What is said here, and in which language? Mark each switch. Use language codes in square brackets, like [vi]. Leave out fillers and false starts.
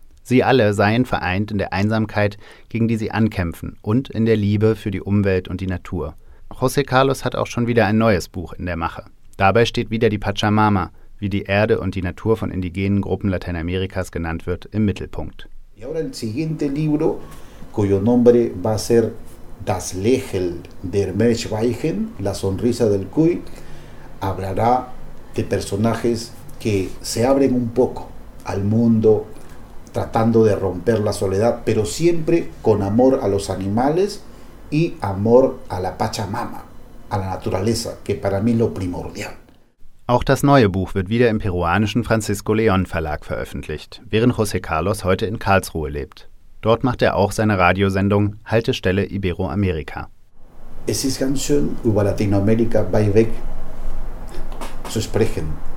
[de] Sie alle seien vereint in der Einsamkeit, gegen die sie ankämpfen, und in der Liebe für die Umwelt und die Natur. José Carlos hat auch schon wieder ein neues Buch in der Mache. Dabei steht wieder die Pachamama, wie die Erde und die Natur von indigenen Gruppen Lateinamerikas genannt wird, im Mittelpunkt. [es] Y ahora el siguiente libro, cuyo nombre va a ser [de] Das Lächeln der Meerschweinchen, [es] La Sonrisa del Cuy, hablará de personajes que se abren un poco al mundo, tratando de romper la soledad, pero siempre con amor a los animales y amor a la Pachamama, a la naturaleza, que para mí es lo primordial. [de] Auch das neue Buch wird wieder im peruanischen Francisco León Verlag veröffentlicht, während José Carlos heute in Karlsruhe lebt. Dort macht er auch seine Radiosendung Haltestelle Iberoamerika. Es ist ganz schön, über Lateinamerika bei weg zu sprechen.